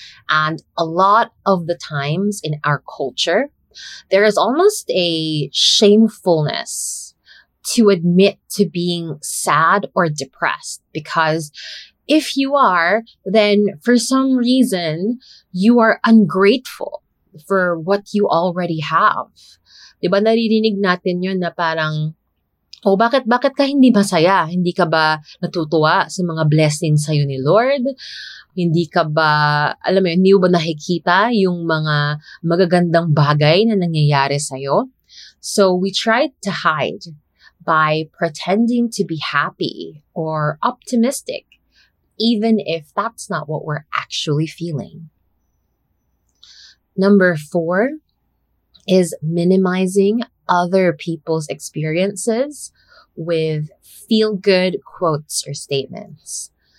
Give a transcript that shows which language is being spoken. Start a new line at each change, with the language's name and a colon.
English: And a lot of the times in our culture, there is almost a shamefulness to admit to being sad or depressed, because if you are, then for some reason, you are ungrateful for what you already have.
Filipino: 'Di ba naririnig natin 'yon na parang oh, bakit ka hindi masaya? Hindi ka ba natutuwa sa mga blessings sa'yo ni Lord? Hindi ka ba, alam mo yun, hindi mo ba nakikita yung mga magagandang bagay na nangyayari sa'yo?
English: So we tried to hide by pretending to be happy or optimistic, even if that's not what we're actually feeling. Number 4 is minimizing other people's experiences with feel-good quotes or statements.